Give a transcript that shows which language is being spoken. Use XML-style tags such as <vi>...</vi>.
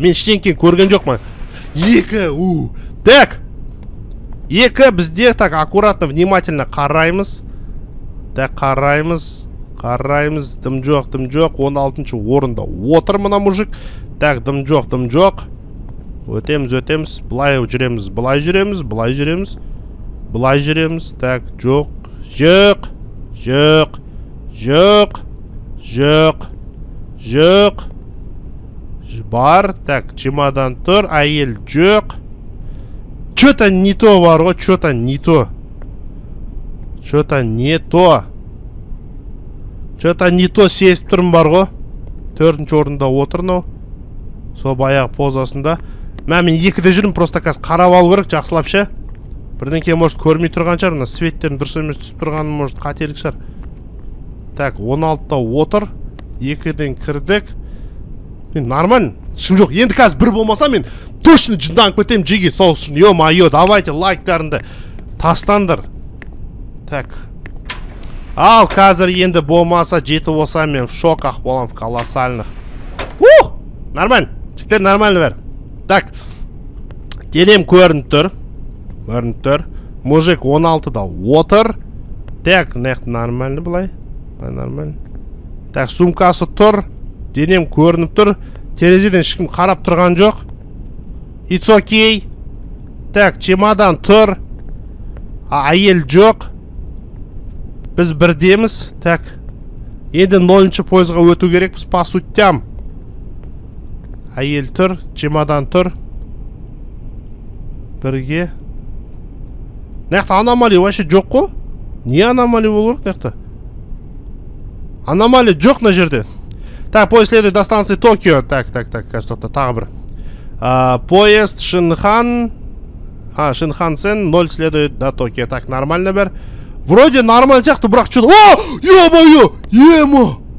<kk>Мен ештеңкені көрген жоқпын. Екі, так. Екі бізде, так,</kk> <ru>аккуратно, внимательно</ru> <kk>қараймыз. Так, қараймыз. Қараймыз. Дым жоқ, дым жоқ. 16-шы орында отыр мына мужик. Так, дым жоқ, дым жоқ. Өтеміз, өтеміз. Былай жүреміз, былай жүреміз, былай жүреміз. Былай жүреміз. Так, жоқ. Жоқ. Жоқ. Жоқ. Жоқ. Жоқ. Бар. Так, чемодан тұр, әйел жоқ.</kk> <ru>Что-то не то</ru> <kk>бар ғой, что-то не то.</kk> <ru>Что-то не то.</ru> <kk>Что-то не то сезіп тұрмын бар ғой. Төртінші орында отыр мынау. Сол баяғы позасында. Мен екіде жүрмін, просто қазір қарап алу керек жақсылап ше. Бірдеңке может көрмей тұрған шығар, мына светтерін дұрыс емес түсіп тұрғаны может қателік шығар. Так, 16-та отыр. 2-ден кірдік. Мен нормально. Шым жоқ. Енді қазір бір болмаса мен точно жынданып кетем жиге соғыс үшін. Ё-майо, давайте лайктарыңды тастандыр. Так. Ал қазір енді болмаса жеті болса мен</kk> <ru>в шоках</ru> <kk>болам,</kk> <ru>в колоссальных.</ru> <kk>Ух! Нормально.</kk> <ru>Теперь нормально</ru> <kk>бәрі. Так. Денем көрініп тұр. Көрініп тұр. Мужик 16-да отыр. Так, нәхті нормально былай. Нормально. Так, сумкасы тұр. Денем көрініп тұр. Терезеден ешкім қарап тұрған жоқ.</kk> <en>It's okay.</en> <kk>Так, чемодан тұр. Айел жоқ. Біз бірдеміз. Так. Енді 0-шы пойызға өту керек біз, по сутям. Айел тұр, чемодан тұр. Бірге. Нақты аномалий вообще жоқ қой? Не аномалий болу керек нақты? Аномалий жоқ на жерде.</kk> <ru>Так, поезд следует до станции Токио. Так, так, так, кажется, тағы бір. Поезд Шинхан. А, Шинхансен 0 следует до Токио.</ru> <kk>Так, нормально бір. Вроде нормально сияқты, бірақ чудо. О, ё-моё, ё-мо.</kk>